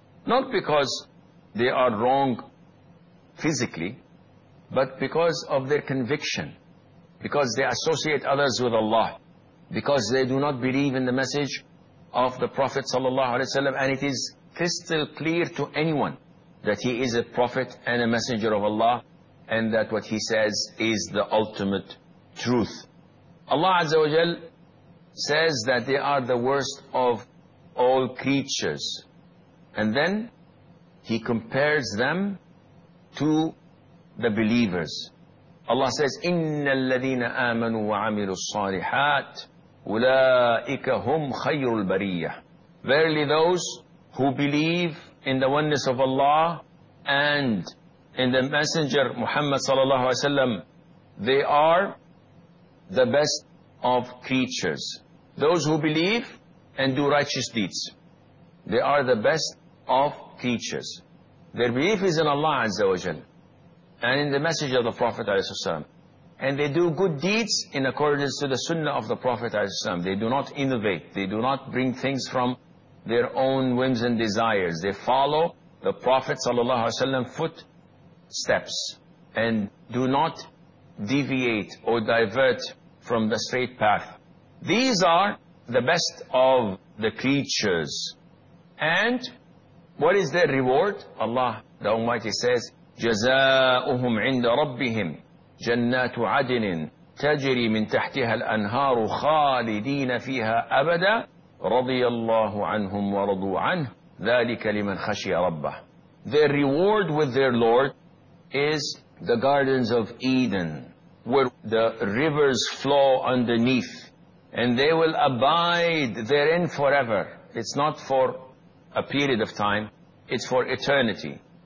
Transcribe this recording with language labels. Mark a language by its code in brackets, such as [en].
[en] Not because they are wrong physically, but because of their conviction, because they associate others with Allah, because they do not believe in the message of the Prophet sallallahu alaihi wasallam, and it is crystal clear to anyone that he is a prophet and a messenger of Allah, and that what he says is the ultimate truth. Allah azza wa jal says that they are the worst of all creatures, and then he compares them to the believers. Allah says, [ar] إِنَّ الَّذِينَ آمَنُوا وَعَمِلُوا الصَّالِحَاتِ أُولَٰئِكَ هُمْ خَيْرُ الْبَرِيَّةِ. [en] Verily those who believe in the oneness of Allah and in the Messenger Muhammad sallallahu alaihi wasallam, they are the best of creatures. Those who believe and do righteous deeds, they are the best of creatures. Their belief is in Allah Azza wa Jal and in the message of the Prophet Sallallahu Alaihi Wasallam. And they do good deeds in accordance to the Sunnah of the Prophet Sallallahu Alaihi Wasallam. They do not innovate. They do not bring things from their own whims and desires. They follow the Prophet Sallallahu Alaihi Wasallam footsteps and do not deviate or divert from the straight path. These are the best of the creatures. And what is their reward? Allah the Almighty says, [ar] جَزَاؤُهُمْ عِنْدَ رَبِّهِمْ جَنَّاتُ عَدْنٍ تَجْرِي مِنْ تَحْتِهَا الْأَنْهَارُ خَالِدِينَ فِيهَا أَبَدًا رَضِيَ اللَّهُ عَنْهُمْ وَرَضُوا عَنْهُ ذَلِكَ لِمَنْ خَشِيَ رَبَّهُ. [en] Their reward with their Lord is the gardens of Eden, where the rivers flow underneath, and they will abide therein forever. It's not for a period of time, it's for eternity.